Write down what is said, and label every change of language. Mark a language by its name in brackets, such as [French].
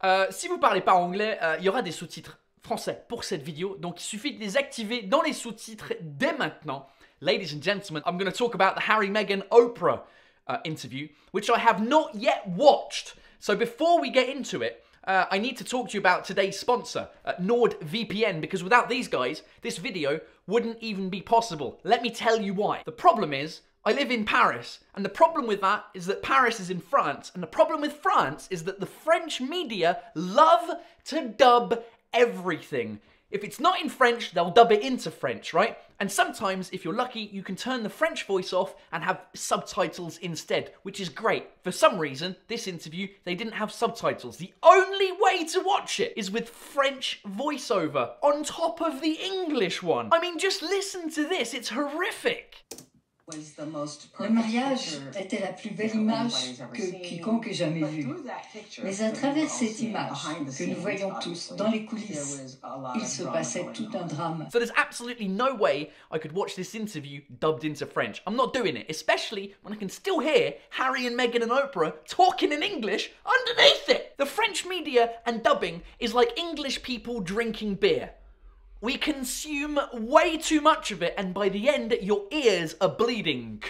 [French] Si vous parlez pas anglais, il y aura des sous-titres français pour cette vidéo. Donc, il suffit de les activer dans les sous-titres dès maintenant. [English] Ladies and gentlemen, I'm going to talk about the Harry, Meghan, Oprah interview, which I have not yet watched. So, before we get into it, I need to talk to you about today's sponsor, NordVPN, because without these guys, this video wouldn't even be possible. Let me tell you why. The problem is, I live in Paris, and the problem with that is that Paris is in France, and the problem with France is that the French media love to dub everything. If it's not in French, they'll dub it into French, right? And sometimes, if you're lucky, you can turn the French voice off and have subtitles instead, which is great. For some reason, this interview, they didn't have subtitles. The only way to watch it is with French voiceover on top of the English one. I mean, just listen to this, it's horrific. Was the most perfect [French] le mariage picture était la plus belle image que quiconque ait jamais vue. Mais à travers cette image que nous voyons tous dans les coulisses, il se passait tout un drame. [English] So there's absolutely no way I could watch this interview dubbed into French. I'm not doing it, especially when I can still hear Harry and Meghan and Oprah talking in English underneath it. The French media and dubbing is like English people drinking beer. We consume way too much of it, and by the end, your ears are bleeding.